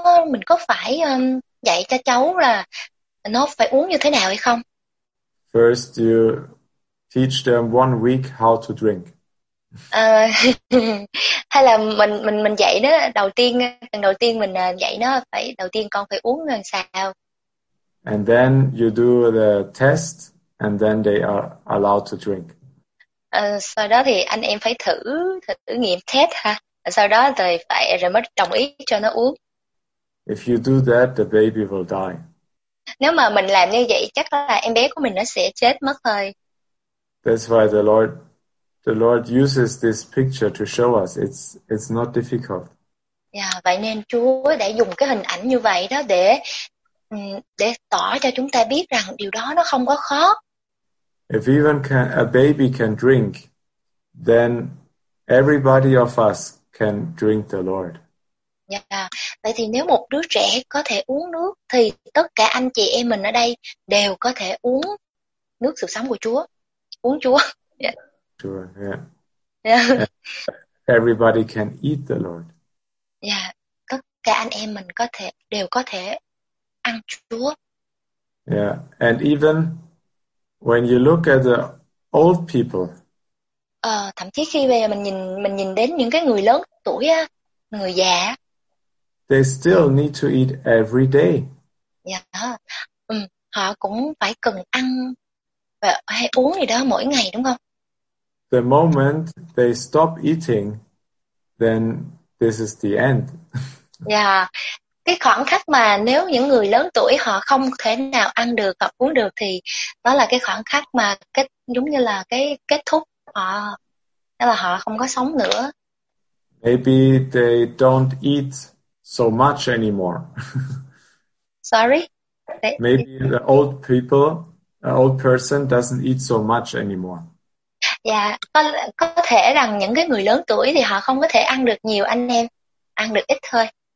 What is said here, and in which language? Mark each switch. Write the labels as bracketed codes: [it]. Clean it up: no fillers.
[vi] Mình có phải dạy cho cháu là nó phải uống như thế nào hay không? [en] First you teach them 1 week how to drink. [vi] Hay là mình dạy nó đầu tiên mình dạy nó phải đầu tiên con phải uống làm sao. [en] And then you do the test and then they are allowed to drink. [vi] Sau đó thì anh em phải thử nghiệm test ha. Sau đó thì phải rồi mới đồng ý cho nó uống. [en] If you do that, the baby will die. [vi] Nếu mà mình làm như vậy chắc là em bé của mình nó sẽ chết mất thôi. [en] That's why the Lord uses this picture to show us it's not difficult. [vi] Yeah, vậy nên Chúa đã dùng cái hình ảnh như vậy đó để tỏ cho chúng ta biết rằng điều đó nó không có khó. [en] If even a baby can drink, then everybody of us can drink the Lord. [vi] Yeah, vậy thì nếu một đứa trẻ có thể uống nước thì tất cả anh chị em mình ở đây đều có thể uống nước sự sống của Chúa, uống Chúa. Yeah. Sure, yeah. Yeah. [en] Everybody can eat the Lord. [vi] Yeah, tất cả anh em mình đều có thể ăn Chúa. [en] Yeah, and even when you look at the old people. [vi] Thậm chí khi bây giờ mình nhìn đến những cái người lớn tuổi á, người già. [en] They still need to eat every day. Yeah. [vi] Họ cũng phải cần ăn hay uống gì đó mỗi ngày đúng không? [en] The moment they stop eating, then this is the end. [vi] Yeah, cái khoảng khắc mà nếu những người lớn tuổi họ không thể nào ăn được hoặc uống được thì đó là cái khoảng khắc mà cái giống như là cái kết thúc, họ đó là họ không có sống nữa. [en] Maybe they don't eat so much anymore. Sorry. Maybe the old people, the old person doesn't eat so much anymore. [vi] Yeah, có thể rằng những cái người lớn tuổi thì họ không có thể ăn được nhiều anh em, ăn được ít thôi.